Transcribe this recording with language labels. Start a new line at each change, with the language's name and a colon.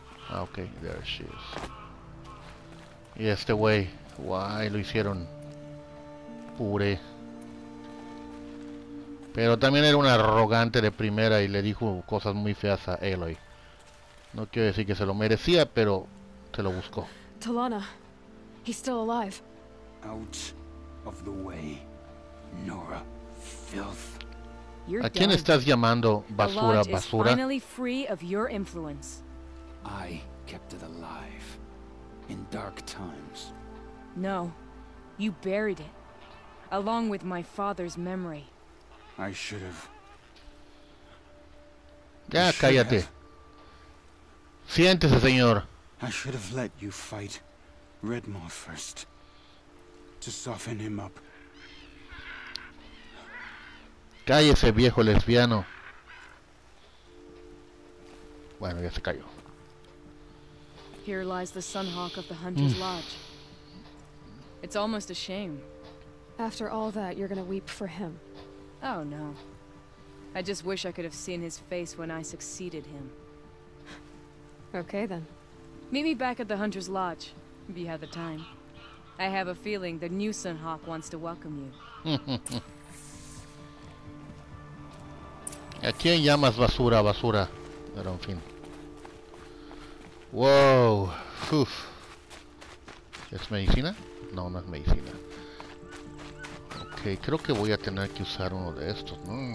Spanish: Ah,
English: ok, there she is.
Spanish: Y este güey, guay, lo hicieron puré. Pero también era un arrogante de primera y le dijo cosas muy feas a Aloy. No quiero decir que se lo merecía, pero se lo buscó.
English: T'Elanna, he's still alive. Out of the way, Nora, filth.
Spanish: ¿A quién estás llamando basura, basura?
English: Finally free of your influence. I kept it alive in dark times. No, you buried it along with my father's memory. I should have.
Spanish: Ya cállate. Siéntese, señor.
English: I should have let you fight Redmore first to soften him up.
Spanish: Cállese, viejo lesbiano. Bueno, ya se cayó.
English: Here lies the Sunhawk of the Hunter's Lodge. It's almost a shame. After all that, you're gonna weep for him. Oh, no. I just wish I could have seen his face when I succeeded him. Okay, then. Meet me back at the Hunter's Lodge, if you have the time. I have a feeling the new Sunhawk wants to welcome you.
Spanish: ¿A quién llamas basura, basura? Pero en fin. Wow. Uf. ¿Es medicina? No, no es medicina. Ok, creo que voy a tener que usar uno de estos, ¿no?